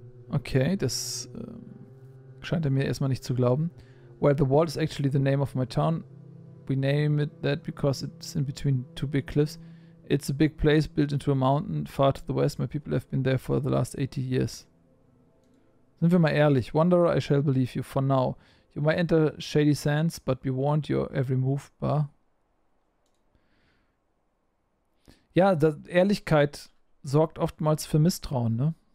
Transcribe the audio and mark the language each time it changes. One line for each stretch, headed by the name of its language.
German: Okay, das scheint er mir erstmal nicht zu glauben.
English: Well, the wall is actually the name of my town. We name it that because it's in between two big cliffs. It's a big place built into a mountain far to the west. My people have been there for the last 80 years.
German: Sind wir mal ehrlich.
English: Wanderer, I shall believe you for now. You might enter shady sands, but be warned your every move, bar.
German: Ja, das, Ehrlichkeit sorgt oftmals für Misstrauen, ne?